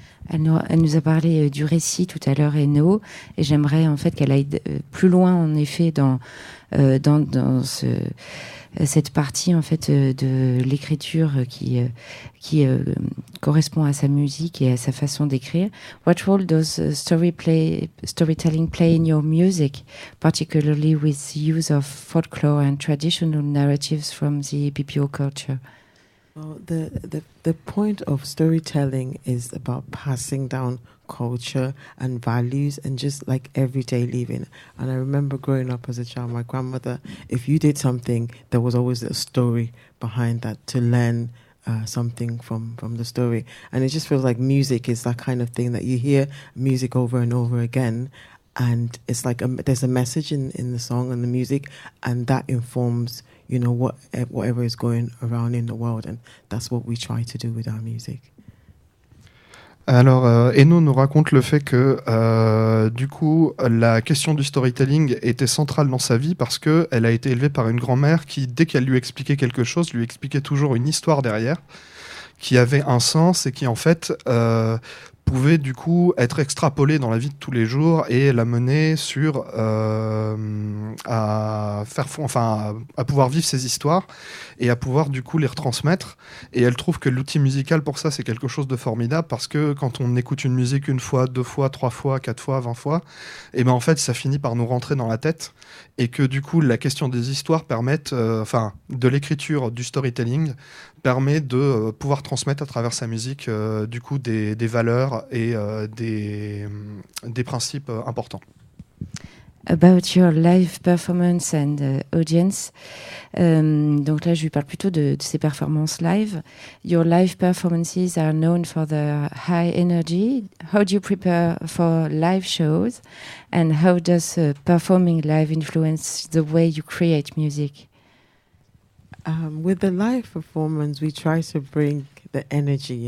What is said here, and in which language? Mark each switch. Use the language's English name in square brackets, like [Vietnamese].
[French] Elle nous a parlé du récit tout à l'heure, Eno, et j'aimerais en fait qu'elle aille plus loin en effet dans cette partie en fait de l'écriture qui correspond à sa musique et à sa façon d'écrire. [English] What role does storytelling play in your music, particularly with the use of folklore and traditional narratives from the BPO culture? Well, the point of storytelling is about passing down culture and values and just like everyday living. And I remember growing up as a child, my grandmother, if you did something, there was always a story behind that, to learn something from the story. And it just feels like music is that kind of thing that you hear music over and over again, And it's like there's a message in the song and the music, and that informs, you know, whatever is going around in the world, and that's what we try to do with our music. [French] Alors, Eno nous raconte le fait que, du coup, la question du storytelling était centrale dans sa vie parce qu'elle a été élevée par une grand-mère qui, dès qu'elle lui expliquait quelque chose, lui expliquait toujours une histoire derrière, qui avait un sens et qui, en fait, pouvait, du coup, être extrapolée dans la vie de tous les jours et la mener sur, à pouvoir vivre ses histoires et à pouvoir, du coup, les retransmettre. Et elle trouve que l'outil musical, pour ça, c'est quelque chose de formidable parce que quand on écoute une musique une fois, deux fois, trois fois, quatre fois, vingt fois, et ben, en fait, ça finit par nous rentrer dans la tête et que, du coup, la question des histoires permet, enfin, de l'écriture, du storytelling, permet de pouvoir transmettre à travers sa musique, du coup, des valeurs et des principes importants. [English] About your live performance and audience. [French] Donc là, je lui parle plutôt de ses performances live. [English] Your live performances are known for their high energy. How do you prepare for live shows? And how does performing live influence the way you create music? With the live performance, we try to bring the energy.